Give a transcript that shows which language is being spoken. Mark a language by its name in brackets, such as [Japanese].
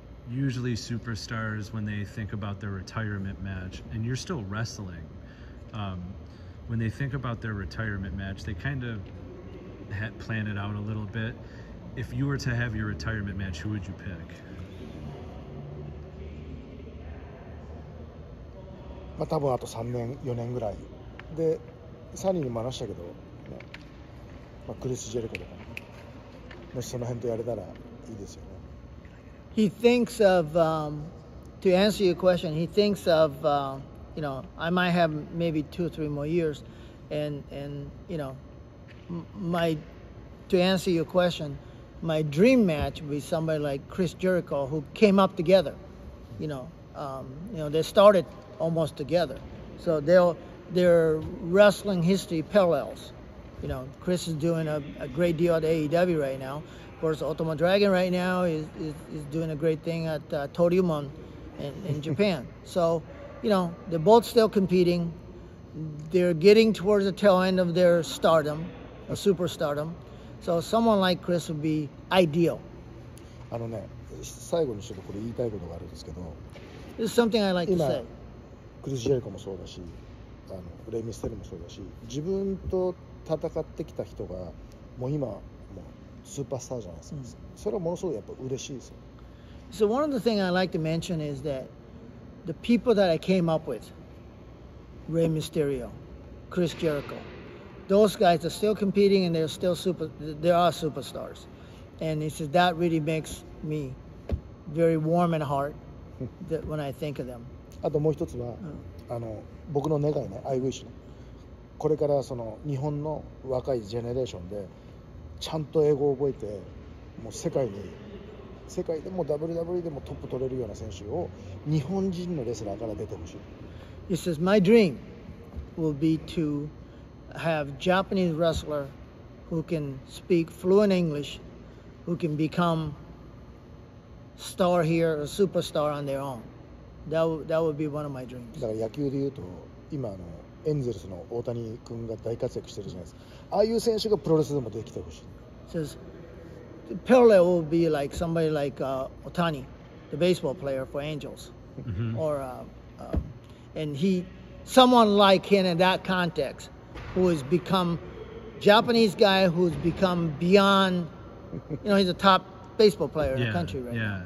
[English] Usually superstars, when they think about their retirement match, and you're still wrestling, when they think about their retirement match, they kind of plan it out a little bit. If you were to have your retirement match, who would you pick? [Japanese] まあ、多分あと3年4年ぐらいでサニーにも話したけど、ね、まあ、クリス・ジェリコとか、ね、もしその辺とやれたらいいですよね。 [English] He thinks of to answer your question, he thinks of you know, I might have maybe 2 or 3 more years and you know, my, to answer your question, my dream match would be somebody like Chris Jericho, who came up together, you know, they started almost together, so they're wrestling history parallels. You know, Chris is doing a great deal at AEW right now. Of course, Ultimo Dragon right now is doing a great thing at Toryumon in Japan. So, you know, they're both still competing. They're getting towards the tail end of their stardom, a superstardom. So someone like Chris would be ideal. [Japanese] あのね、最後にちょっとこれ言いたいことがあるんですけど。 [English] This is something I like to say. [Japanese] クリス・ジェリコもそうだし、あのレイ・ミステルもそうだし、自分と戦ってきた人がもう今もうスーパースターじゃないですか。それはものすごいやっぱ嬉しいですよ。 [English] So one of the things I like to mention is that the people that I came up with, Rey Mysterio, Chris Jericho, those guys are still competing and they're still super, they are superstars. And it's just, that really makes me very warm in heart that when I think of them. [Japanese] あともう一つは、あの僕の願いね、 [English] I wish、 [Japanese] これからその日本の若いジェネレーションでちゃんと英語を覚えて、もう世界でも WWE でもトップ取れるような選手を日本人のレスラーから出てほしい。 [English] He says my dream will be to have Japanese wrestler who can speak fluent English, who can become star here, a superstar on their own. That would be one of my dreams. [Japanese] だから野球で言うと、今のエンゼルスの大谷君が大活躍してるじゃないですか。ああいう選手がプロレスでもできてほしい。 [English] Says, parallel would be like somebody like Otani, the baseball player for Angels, or and he, someone like him in that context, who has become Japanese guy who's become beyond, you know, he's a top baseball player in the country right now.